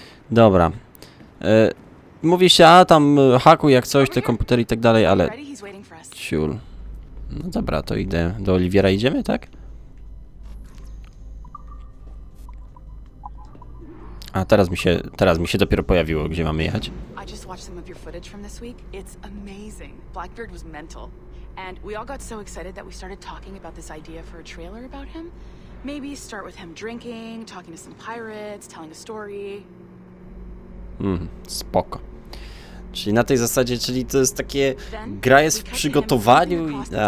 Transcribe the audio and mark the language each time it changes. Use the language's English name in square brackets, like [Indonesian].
[Polish] Dobra, mówi się, a tam hakuj jak coś, te komputery i tak dalej, ale ciul. No dobra, to idę, do Oliwiera idziemy, tak? A teraz mi się dopiero pojawiło, gdzie mamy jechać. [English] I just watched some of your footage from this week. It's amazing. Blackbeard was mental. And we all got so excited that we started talking about this idea for a trailer about him. Maybe start with him drinking, talking to some pirates, telling a story. [Polish] Spoko. Czyli na tej zasadzie, czyli to jest takie gra jest w przygotowaniu i